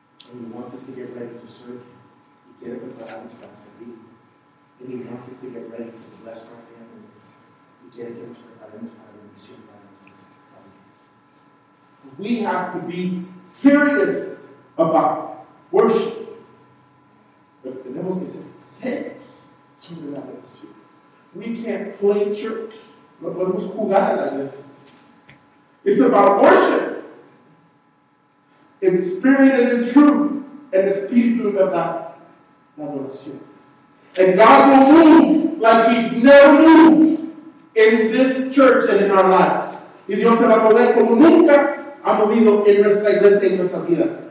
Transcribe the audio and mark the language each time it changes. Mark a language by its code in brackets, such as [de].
[en] And He wants us to get ready to serve Him. [es] Y quiere prepararnos para servir. [en] And He wants us to get ready to bless our families. [es] Y quiere que nos preparemos para la misión para nuestras familias. [en] We have to be serious about worship. [es] Pero tenemos que ser serios sobre la adoración. [en] We can't play church. [es] No podemos jugar a la iglesia. [en] It's about worship. In spirit and in truth. [es] En espíritu y verdad. La adoración. [en] And God will move like He's never moved in this church and in our lives. [es] Y Dios se va a mover como nunca ha movido en nuestra iglesia y en nuestras vidas.